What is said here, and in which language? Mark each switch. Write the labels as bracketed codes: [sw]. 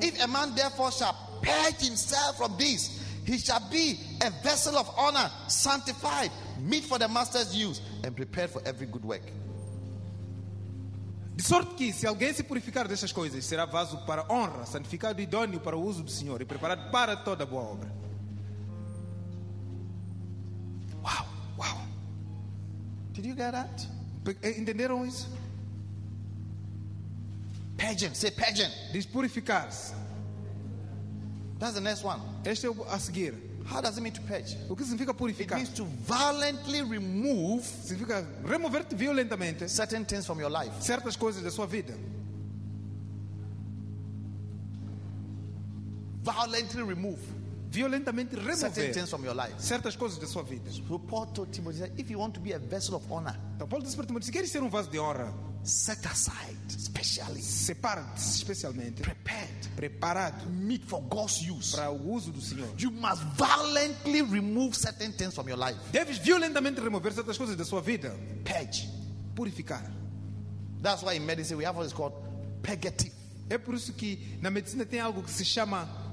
[en] If a man therefore shall purge himself from this, he shall be a vessel of honor, sanctified, meet for the master's use, and prepared for every good work. [pt] De sorte que, se alguém se purificar destas coisas, será vaso para honra, santificado e idôneo para o uso do Senhor, e preparado para toda boa obra. [en] Wow, wow. Did you get that? [pt] Entenderam isso? [en] Pageant, say pageant. [pt] Despurificar-se. [en] That's the next one. [pt] Este é o a seguir. [en] How does it mean to purge? [pt] O que significa purificar? [en] It means to violently remove. [pt] Significa remover violentamente. [en] Certain things from your life. [pt] Certas coisas da sua vida. [en] Violently remove. [pt] Violentamente remover. [en] Certain things from your life. [pt] Certas coisas da sua vida. [en] So Paul told Timothy, if you want to be a vessel of honor. [pt] Então Paulo disse para Timóteo, se queres ser vaso de honra. [en] Set aside specially. [pt] Separate especialmente. [en] Prepared. [pt] Preparado. [en] Meet for God's use. [pt] Para o uso do Senhor. [en] You must violently remove certain things from your life. [pt] Deves violentamente remover certas coisas da sua vida. [en] Purge. [pt] Purificar. [en] That's why in medicine we have what is called purgative. [pt] É por isso que na medicina tem algo que se chama